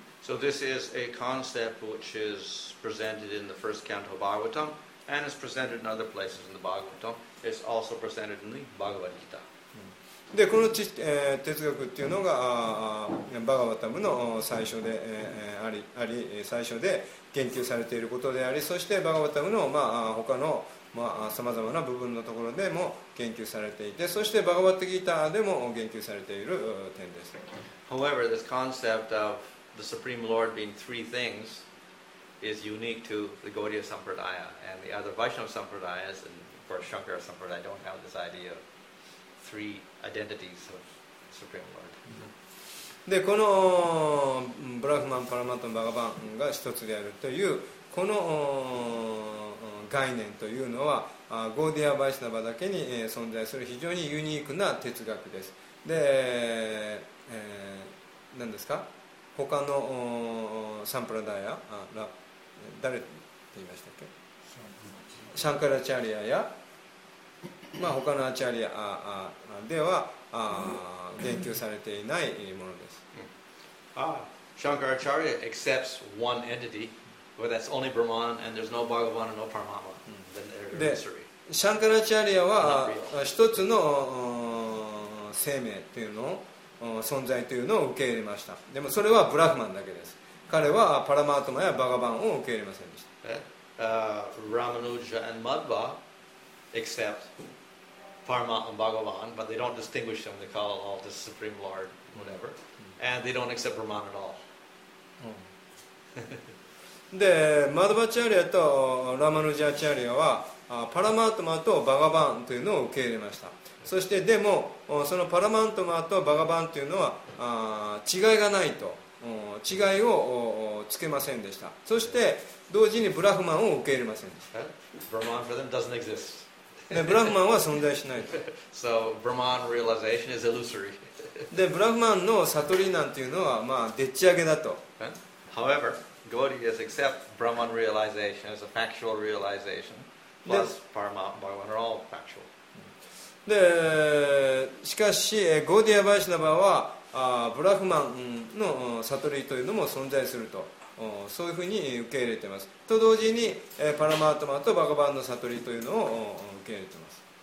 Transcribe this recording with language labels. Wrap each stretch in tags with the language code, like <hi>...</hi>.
<en>So this is a concept which is presented in the first canto of Bhagavatam and is presented in other places in the Bhagavatam. It's also presented in the Bhagavad Gita.</en> <ja>で、この哲学っていうのがバガバタムの最初で最初で研究されていることであり、そしてバガバタムの他のさまざまな部分のところでも研究されていて、そしてバガバタギータでも研究されている点です。</ja> <en>However, this concept ofThe Supreme Lord being three things is unique to the Gaudiya Sampradaya and the other Vaishnava Sampradayas and for Shankara Sampradaya don't have this idea of three identities of the Supreme Lord.</en> <ja>で、このブラフマン、パラマトン、バガバンが一つであるという、この概念というのはゴーディア・バイシナバだけに存在する非常にユニークな哲学です。で、何ですか、他のサンプラダイヤ、誰って言いましたっけ、シャンカラチャリアや、まあ、他のアチャリアでは言及されていないものです。</ja> <en>シャンカラチャリア accepts one entity, but that's only Brahman and there's no Bhagavan and no Paramatma.</en> <ja>で、シャンカラチャリアは一つの生命というのを、存在というのを受け入れました。でもそれはブラフマンだけです。彼はパラマートマやバガバンを受け入れませんでした。</ja> <en>Ramanuja and Madhva accept Parma and Bhagavan, but they don't distinguish them. They call all the Supreme Lord, whatever, and they don't accept Brahman at all.</en> <ja>で、マドバチャリアとラマヌジャチャリアはパラマートマとバガバンというのを受け入れました。そしてでもそのパラマートマとバガバンというのは違いがないと、違いをつけませんでした。そして同時にブラフマンを受け入れませんでした。</ja> <en>Brahman for them doesn't exist.</en> <ja>で、ブラフマンは存在しない。</ja> <en>So Brahman realization is illusory.</en> <ja>で、ブラフマンの悟りなんていうのはまあでっち上げだと。</ja> <en>However, Gaudiyas accept Brahman realization as a factual realization, plus Paramatma and Bhagavan are all factual.</en> <ja>で、しかしゴーディア・バイシナバはブラフマンの悟りというのも存在すると。そういうふうに受け入れています。と同時にパラマートマとバガバンの悟りというのを受け入れています。</ja>